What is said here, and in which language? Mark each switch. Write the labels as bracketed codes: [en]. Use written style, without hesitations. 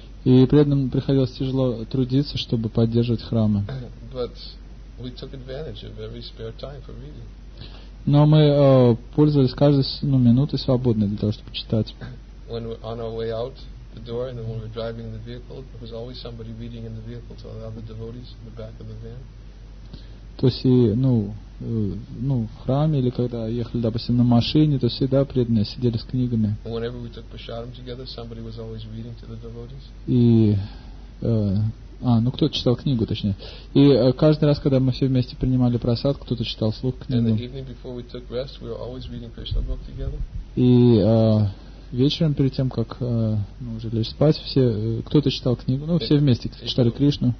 [ru] И при этом приходилось тяжело трудиться, чтобы поддерживать храмы. [en] But we took advantage of every spare time for reading. [ru] Но мы пользовались каждой ну, минутой свободной для того, чтобы читать. [en] When we're on our way out the door and then when we're driving the vehicle, there was always somebody reading in the vehicle to allow the devotees in the back of the van. [ru] То есть, ну, ну, в храме или когда ехали, допустим, на машине, то всегда преданные сидели с книгами. [en] Whenever we took prasadam together, somebody was always reading to the devotees. [ru] И, ну, кто-то читал книгу, точнее. И каждый раз, когда мы все вместе принимали просад, кто-то читал слух книгу. [en] And the evening before we took rest, we were always reading Krishna book together. [ru] И вечером, перед тем, как ну, уже лечь спать, все, кто-то читал книгу, ну, все вместе читали Кришну.